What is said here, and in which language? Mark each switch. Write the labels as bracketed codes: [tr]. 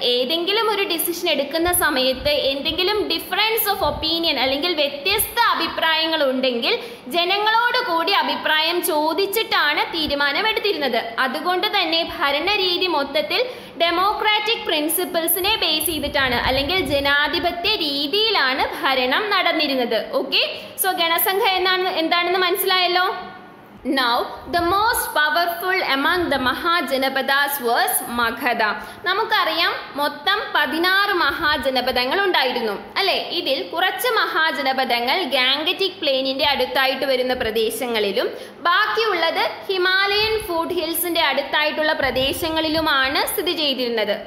[ml] ഏതെങ്കിലും ഒരു ഡിസിഷൻ എടുക്കുന്ന സമയത്ത് എന്തെങ്കിലും ഡിഫറൻസ് ഓഫ് ഒപ്പീനിയൻ അല്ലെങ്കിൽ വ്യത്യസ്ത അഭിപ്രായങ്ങൾ ഉണ്ടെങ്കിൽ ജനങ്ങളോട് കൂടി അഭിപ്രായം ചോദിച്ചിട്ടാണ് തീരുമാനം എടുത്തിരുന്നത്. അതുകൊണ്ട് തന്നെ ഭരണരീതി മൊത്തത്തിൽ ഡെമോക്രാറ്റിക് പ്രിൻസിപ്പിൾസിനെ ബേസ് ചെയ്തിട്ടാണ് അല്ലെങ്കിൽ ജനാധിപത്യ രീതിയിലാണ് ഭരണം നടന്നിരുന്നത്. ഓക്കെ, സോ ഗണസംഘ എന്താണെന്ന് മനസ്സിലായല്ലോ. [en] Now, the most powerful among the Mahajanapadas was Magadha. [ml] നമുക്കറിയാം മൊത്തം 16 മഹാജനപദങ്ങൾ ഉണ്ടായിരുന്നു അല്ലേ. ഇതിൽ കുറച്ച് മഹാജനപദങ്ങൾ ഗാംഗറ്റിക് പ്ലെയിനിൻ്റെ അടുത്തായിട്ട് വരുന്ന പ്രദേശങ്ങളിലും ബാക്കിയുള്ളത് ഹിമാലയൻ ഫുഡ് ഹിൽസിൻ്റെ അടുത്തായിട്ടുള്ള പ്രദേശങ്ങളിലുമാണ് സ്ഥിതി ചെയ്തിരുന്നത്.